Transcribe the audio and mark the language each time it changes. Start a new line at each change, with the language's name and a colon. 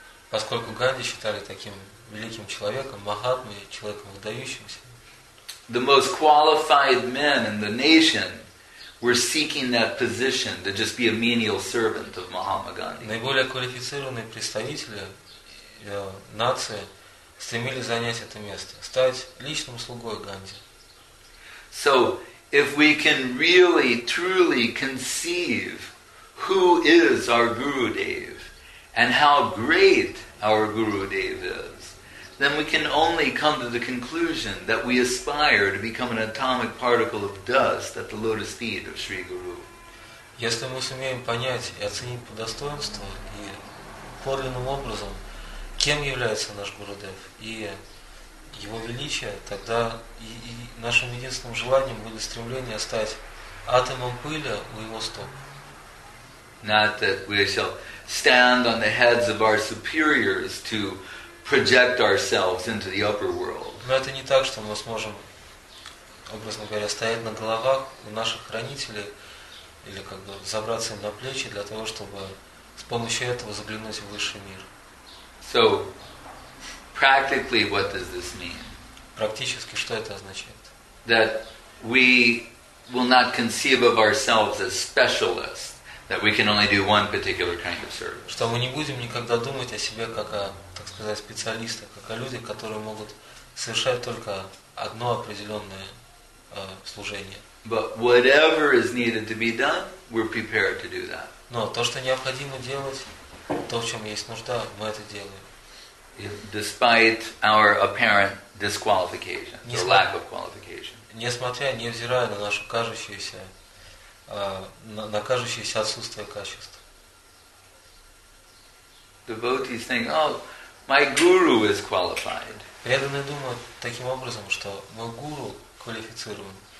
Russian: Поскольку Ганди считали таким великим человеком, Махатмой, человеком выдающимся.
English: The most qualified men in the nation were seeking that position to just be a menial servant of Mahatma Gandhi.
Russian: Наиболее квалифицированные представители нации стремились занять это место, стать личным слугой Ганди.
English: So, if we can really, truly conceive who is our Gurudev and how great our Gurudev is, then we can only come to the conclusion that we aspire to become an atomic particle of dust at the lotus feet of Sri Guru.
Russian: Если мы сумеем понять и оценить по достоинству и подлинным образом кем является наш Гурудев и его величие, тогда и нашим единственным желанием будет стремление стать атомом пыли у его стоп.
English: Not that we shall stand on the heads of our superiors to project ourselves into the upper world.
Russian: Но это не так, что мы сможем, образно говоря, стоять на головах у наших хранителей или как бы забраться им на плечи для того, чтобы с помощью этого заглянуть в высший мир.
English: So, practically, what does this mean?
Russian: Практически, что это означает?
English: That we will not conceive of ourselves as specialists. That we can only do one particular kind of service.
Russian: Что мы не будем никогда думать о себе как о, так сказать, специалистах, как о людях, которые могут совершать только одно определенное служение.
English: But whatever is needed to be done, we're prepared to do that.
Russian: Но то, что необходимо делать, то, в чем есть нужда, мы это делаем.
English: Despite our apparent disqualification, the lack of qualification.
Russian: Несмотря, невзирая на нашу кажущуюся на кажущееся отсутствие качества.
English: Devotees think, oh, my guru is qualified.
Russian: Преданные думают таким образом, что мой гуру квалифицирован.